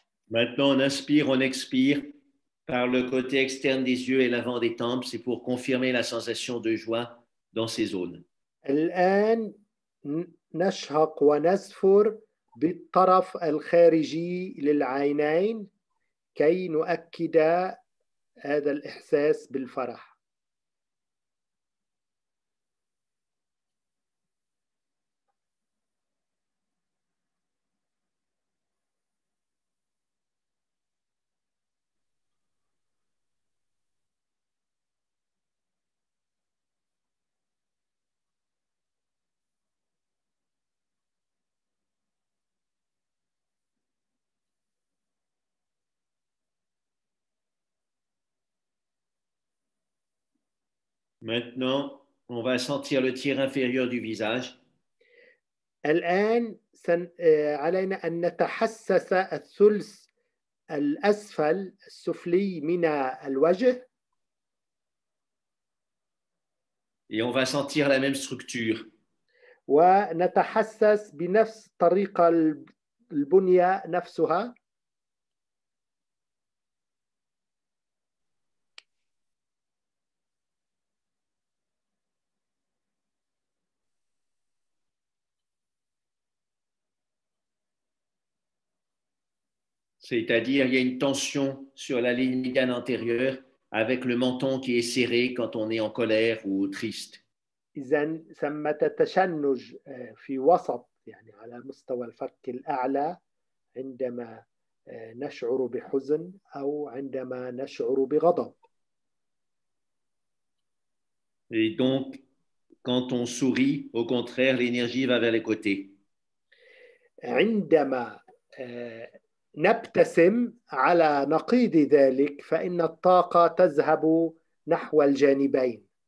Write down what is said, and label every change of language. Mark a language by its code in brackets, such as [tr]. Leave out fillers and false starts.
[fr] Maintenant, on inspire, on expire par le côté externe des yeux et l'avant des tempes. C'est pour confirmer la sensation de joie dans ces zones. [ar] الآن نشهق ونزفر بالطرف الخارجي للعينين كي نؤكد هذا الإحساس بالفرح. [fr] Maintenant, on va sentir le tiers inférieur du visage. [ar] الآن علينا أن نتحسس الثلث الأسفل السفلي من الوجه. [fr] Et on va sentir la même structure. [ar] ونتحسس بنفس طريقة البنية نفسها. [fr] C'est-à-dire, il y a une tension sur la ligne médiane antérieure avec le menton qui est serré quand on est en colère ou triste. [ar] إذن ثمة تشنج في وسط يعني على مستوى الفك الأعلى عندما نشعر بحزن أو عندما نشعر بغضب. [fr] Et donc, quand on sourit, au contraire, l'énergie va vers les côtés. [ar] عندما نبتسم على نقيض ذلك فإن الطاقة تذهب نحو الجانبين.